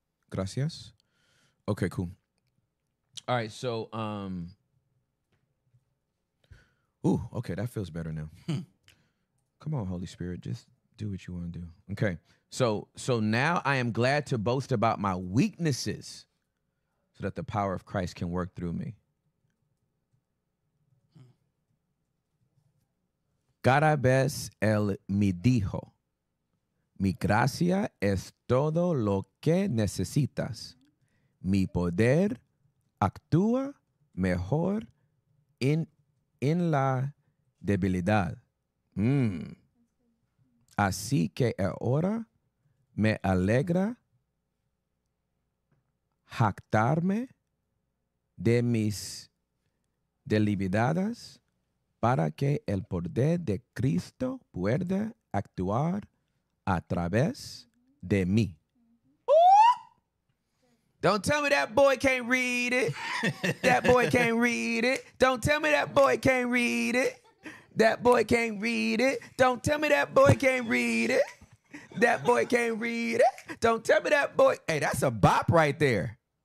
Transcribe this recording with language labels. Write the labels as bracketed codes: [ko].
[es] Gracias. [en] Okay, cool. All right, so, okay, that feels better now. Come on, Holy Spirit, just Do what you want to do. Okay. So now I am glad to boast about my weaknesses so that the power of Christ can work through me. [es] Cada vez él me dijo, mi gracia es todo lo que necesitas. Mi poder actúa mejor en la debilidad. Así que ahora me alegra jactarme de mis debilidades para que el poder de Cristo pueda actuar a través de mí. [en] Don't tell me that boy can't read it. That boy can't read it. Don't tell me that boy can't read it. That boy can't read it. Don't tell me that boy can't read it. That boy can't read it. Don't tell me that boy. Hey, that's a bop right there.